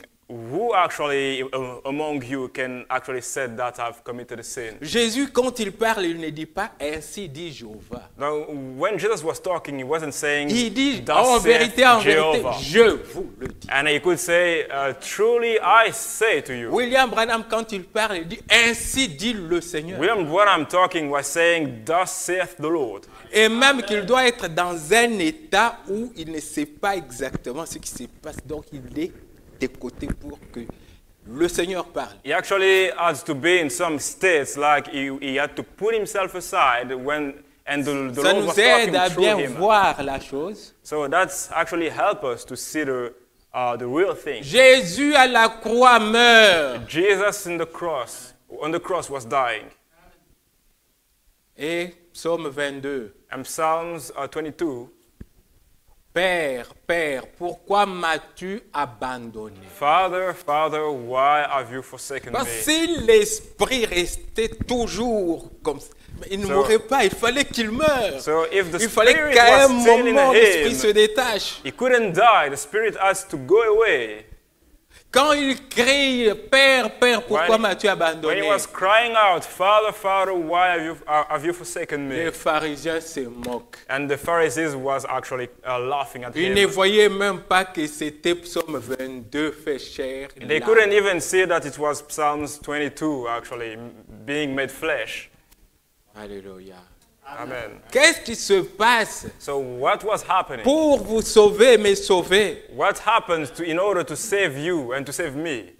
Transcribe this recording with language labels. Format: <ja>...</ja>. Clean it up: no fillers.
<en>Who actually among you can actually say that I've committed a sin?</en> <fr>Jésus, quand il parle, il ne dit pas ainsi dit Jéhovah.</fr> <en>Now, when Jesus was talking, he wasn't saying.</en> <fr>Il dit en vérité, je vous le dis.</fr> <en>And he could say, truly I say to you.</en> <fr>William Branham, quand il parle, il dit ainsi dit le Seigneur.</fr> <en>William Branham talking was saying, thus saith the Lord.</en> <fr>Et même qu'il doit être dans un état où il ne sait pas exactement ce qui se passe, donc il est des côtés pour que le Seigneur parle.</fr> <en>He actually has to be in some states, like he had to put himself aside when and the Lord was talking through him.</en> <fr>Ça nous aide à bien voir la chose.</fr> <en>So that's actually help us to see the real thing.</en> <fr>Jésus à la croix meurt.</fr> <en>Jesus in the cross, on the cross was dying.</en> <fr>Et Psaume 22.</fr> <en>And Psalms 22.</en> <fr>Père, Père, pourquoi m'as-tu abandonné?</fr> <en>Father, Father, why have you forsaken me?</en> <fr>Parce que si l'esprit restait toujours comme ça, il ne mourrait pas, il fallait qu'il meure.</fr> <en>So if the</en> <fr>il fallait qu'à un moment l'esprit se détache.</fr> <en>He couldn't die, the spirit has to go away.</en> <fr>Quand il crie, Père, Père, pourquoi m'as-tu abandonné?</fr> <en>When he was crying out, Father, Father, why have you forsaken me?</en> <fr>Les pharisiens se moquent.</fr> <en>And the Pharisees was actually laughing at him.</en> <fr>Ils ne voyaient même pas que c'était Psaume 22 fait chair.</fr> <en>They couldn't even see that it was Psalms 22 actually being made flesh.</en> <fr>Alléluia.</fr> <en>Amen.</en> <fr>Qu'est-ce qui se passe?</fr> <en>So what was happening?</en> <fr>Pour vous sauver, me sauver.</fr> <en>What happened to in order to save you and to save me?</en>